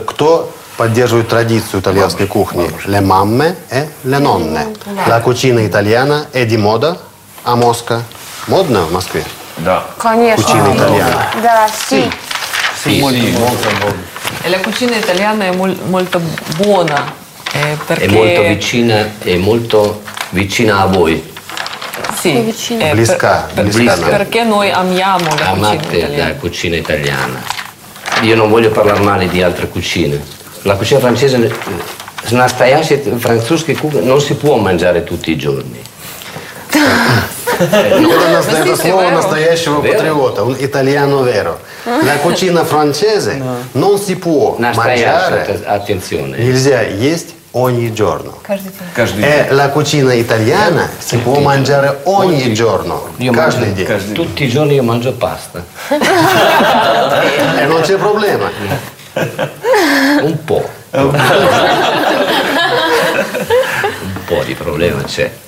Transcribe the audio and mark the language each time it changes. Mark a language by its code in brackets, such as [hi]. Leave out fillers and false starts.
[ru] кто поддерживает традицию итальянской кухни? [it] Le mamme e le nonne. La cucina italiana è di moda a Mosca. [ru] Модно в Москве? Да. Конечно. [it] Cucina italiana. Да, sì. Sì, molto buona. E la cucina italiana è molto buona. È molto vicina, è molto vicina a voi. Sì, [ru] blisca. [it] Perché noi amiamo la cucina italiana. La cucina italiana. Io non voglio parlare male di altre cucine. La cucina francese, una stagione francese, non si può mangiare tutti i giorni. [ru] Это слово настоящего патриота, он [it] итальяно веро. La cucina francese non si può mangiare. Attenzione. [ru] Нельзя есть [it] ogni giorno. [ru] Каждый день. [it] La cucina italiana si può mangiare ogni giorno. [ru] Каждый день. [it] Tutti i giorni io mangio pasta. E non c'è problema. Un po'. Un po' di problema c'è.